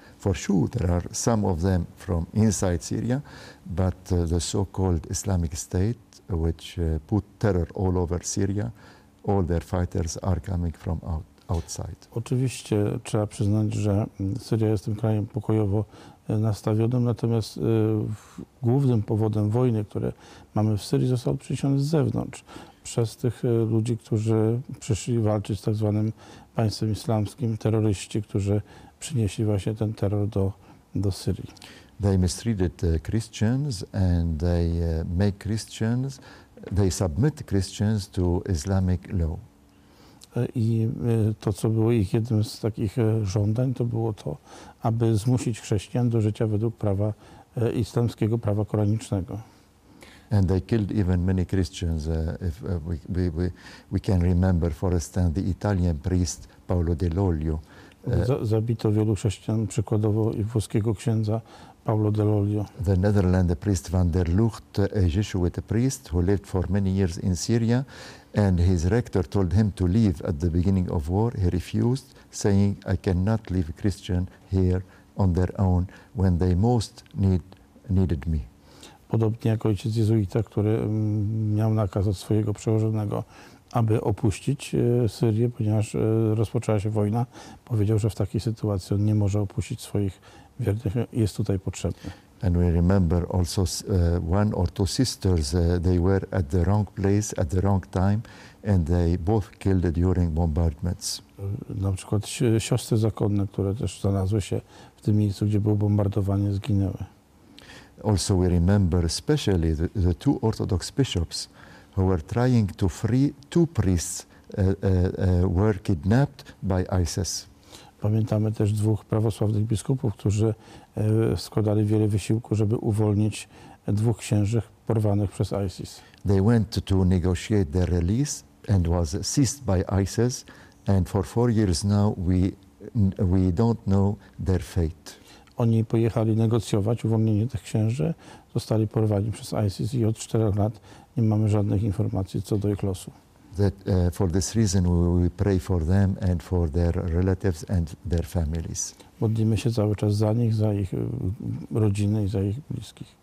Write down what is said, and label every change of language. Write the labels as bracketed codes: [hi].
[en] For sure there are some of them from inside Syria, but the so-called Islamic State, which put terror all over Syria, all their fighters are coming from outside. [pl] Oczywiście trzeba przyznać, że Syria jest tym krajem pokojowo nastawionym, natomiast głównym powodem wojny, które mamy w Syrii, został przyniesiony z zewnątrz przez tych ludzi, którzy przyszli walczyć z tak zwanym państwem islamskim, terroryści, którzy przynieśli właśnie ten terror do Syrii. [en] They mistreated Christians and they make Christians, they submit Christians to Islamic law. [pl] I to, co było ich jednym z takich żądań, to było to, aby zmusić chrześcijan do życia według prawa islamskiego, prawa koranicznego. [en] And they killed even many Christians, if we can remember, for instance, the Italian priest Paolo De Lollio. [pl] Zabito wielu chrześcijan, przykładowo i włoskiego księdza Paolo De Lollio. [en] The Netherlands priest van der Lucht, a Jesuit priest who lived for many years in Syria, and his rector told him to leave at the beginning of war. He refused, saying, I cannot leave a Christian here on their own when they most needed me. [pl] Podobnie jak ojciec jezuita, który miał nakaz od swojego przełożonego aby opuścić Syrię, ponieważ rozpoczęła się wojna. Powiedział, że w takiej sytuacji on nie może opuścić swoich wiernych, jest tutaj potrzebny. [en] And we remember also one or two sisters, they were at the wrong place at the wrong time and they both killed during bombardments. [pl] Na przykład siostry zakonne, które też znalazły się w tym miejscu, gdzie było bombardowanie, zginęły. [en] Also we remember especially the two Orthodox bishops who were trying to free two priests were kidnapped by ISIS. [pl] Pamiętamy też dwóch prawosławnych biskupów, którzy składali wiele wysiłku, żeby uwolnić dwóch księży porwanych przez ISIS. [en] They went to negotiate their release and was seized by ISIS and for 4 years now we don't know their fate. [pl] Oni pojechali negocjować uwolnienie tych księży, zostali porwani przez ISIS i od 4 lat nie mamy żadnych informacji co do ich losu. [en] That for this reason we pray for them and for their relatives and their families. [pl] Modlimy się cały czas za nich, za ich rodziny i za ich bliskich.